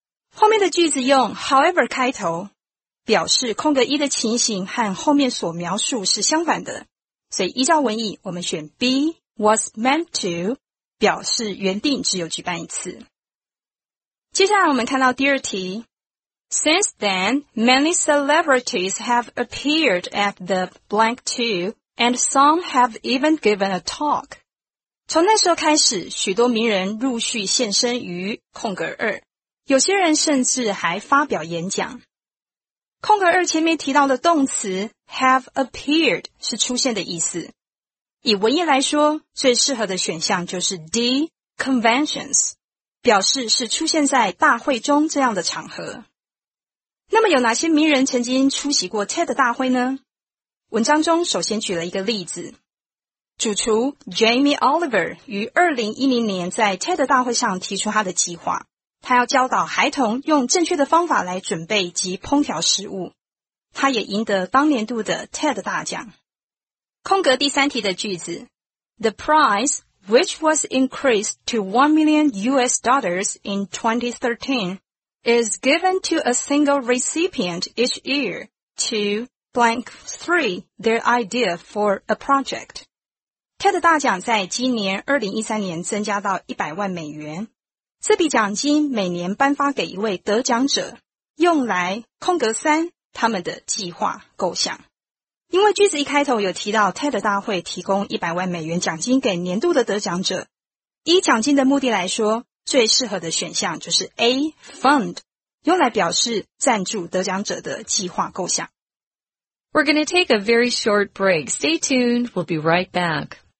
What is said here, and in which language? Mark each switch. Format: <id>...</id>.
<zh>后面的句子用 however 开头，表示空格一的情形和后面所描述是相反的。所以依照文意，我们选 B。 Was meant to 表示原定只有举办一次。接下来我们看到第二题。</zh> <en>Since then, many celebrities have appeared at the blank two, and some have even given a talk.</en> <zh>从那时候开始，许多名人陆续现身于空格二，有些人甚至还发表演讲。空格二前面提到的动词 have appeared 是出现的意思。以文艺来说，最适合的选项就是 D, conventions, 表示是出现在大会中这样的场合。那么有哪些名人曾经出席过 TED 大会呢？文章中首先举了一个例子。主厨 Jamie Oliver 于2010年在 TED 大会上提出他的计划，他要教导孩童用正确的方法来准备及烹调食物。他也赢得当年度的 TED 大奖。</zh> <en>空格第三题的句子 The prize, which was increased to $1 million in 2013, is given to a single recipient each year to blank three their idea for a project.</en> <zh>TED 大奖在今年2013年增加到100万美元。这笔奖金每年颁发给一位得奖者，用来空格三他们的计划构想。因为句子一开头有提到 TED 大会提供100万美元奖金给年度的得奖者，依奖金的目的来说，最适合的选项就是 A, fund, 用来表示赞助得奖者的计划构想。</zh> <en>We're going to take a very short break. Stay tuned, we'll be right back.</en>